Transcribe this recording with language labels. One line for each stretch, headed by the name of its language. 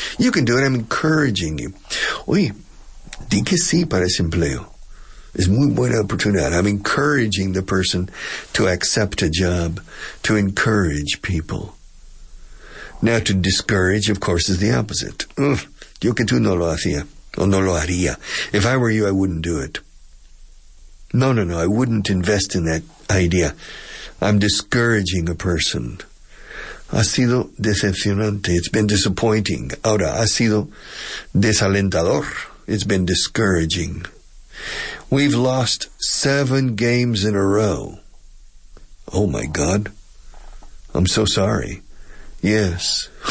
English: You can do it. I'm encouraging you.
Spanish: Oye. Di que sí para ese empleo. Es muy buena oportunidad.
English: I'm encouraging the person to accept a job, to encourage people. Now, to discourage, of course, is the opposite.
Spanish: Yo que tú no lo hacía, o no lo haría.
English: If I were you, I wouldn't do it. No, I wouldn't invest in that idea. I'm discouraging a person.
Spanish: Ha sido decepcionante.
English: It's been disappointing.
Spanish: Ahora, ha sido desalentador.
English: It's been discouraging. We've lost 7 games in a row. Oh, my God. I'm so sorry. Yes.